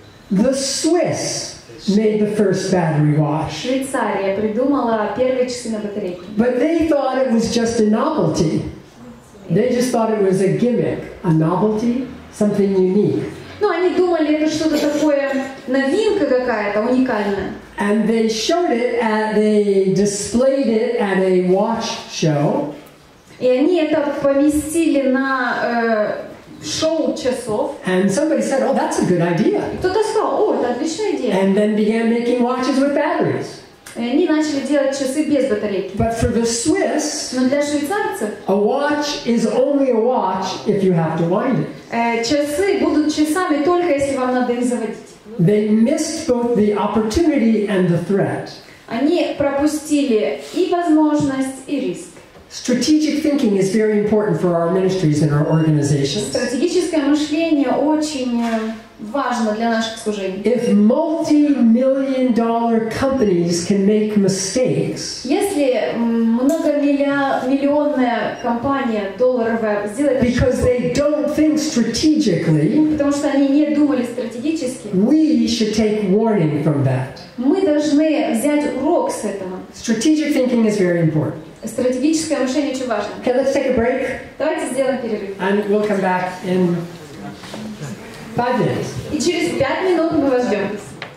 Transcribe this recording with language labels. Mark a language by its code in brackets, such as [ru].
[en] The Swiss made the first battery watch. [ru] Швейцария придумала первые часы на батарейке. [en] But they thought it was just a novelty. They just thought it was a gimmick, a novelty, something unique. [ru] Ну, они думали, это что-то такое, новинка какая-то, уникальная. [en] And they showed it, and they displayed it at a watch show. [ru] И они это поместили на шоу часов. [en] And somebody said, "Oh, that's a good idea." [ru] Кто-то сказал: "О, это отличная идея." [en] And then began making watches with batteries. [ru] И они начали делать часы без батарейки. [en] But for the Swiss, [ru] но для швейцарцев, [en] a watch is only a watch if you have to wind it. [ru] Часы будут часами только если вам надо их заводить. [en] They missed both the opportunity and the threat. [ru] Они пропустили и возможность, и риск. [en] Strategic thinking is very important for our ministries and our organizations. [ru] Стратегическое мышление очень важно для наших служений. [en] If multi-million-dollar companies can make mistakes, [ru] если многомиллионная компания долларовая сделает ошибку, [en] because they don't think strategically, [ru] потому что они не думали стратегически, [en] we should take warning from that. [ru] Мы должны взять урок с этого. [en] Strategic thinking is very important. [ru] Стратегическое мышление очень важно. [en] Okay, let's take a break. [ru] Давайте сделаем перерыв. [en] And we'll come back in 5 minutes. [ru] И через 5 минут мы вас ждем.